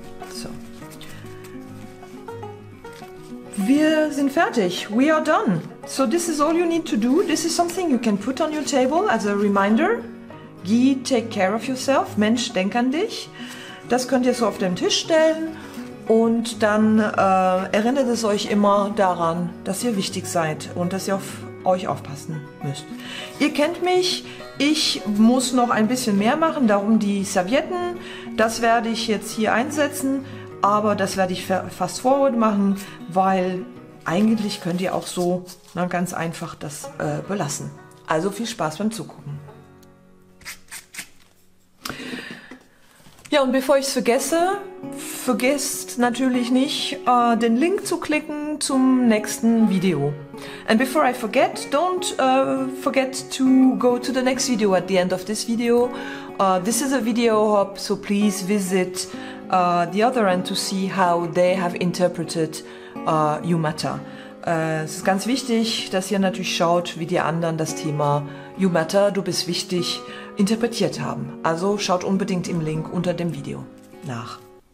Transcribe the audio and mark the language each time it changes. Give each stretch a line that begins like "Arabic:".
German: So. Wir sind fertig.
English: We are done. So this is all you need to do. This is something you can put on your table as a reminder. Guy, take care of yourself.
German: Mensch, denk an dich. Das könnt ihr so auf dem Tisch stellen und dann erinnert es euch immer daran, dass ihr wichtig seid und dass ihr auf euch aufpassen müsst. Ihr kennt mich. Ich muss noch ein bisschen mehr machen, darum die Servietten. Das werde ich jetzt hier einsetzen, aber das werde ich fast forward machen, weil eigentlich könnt ihr auch so ganz einfach das belassen. Also viel Spaß beim Zugucken. Ja, und bevor ich es vergesse, vergesst natürlich nicht, den Link zu klicken zum nächsten Video.
English: And before I forget, don't forget to go to the next video at the end of this video. This is a video hub, so please visit the other end to see how they have interpreted U-Matter.
German: Es ist ganz wichtig, dass ihr natürlich schaut, wie die anderen das Thema U-Matter, du bist wichtig, interpretiert haben. Also schaut unbedingt im Link unter dem Video nach.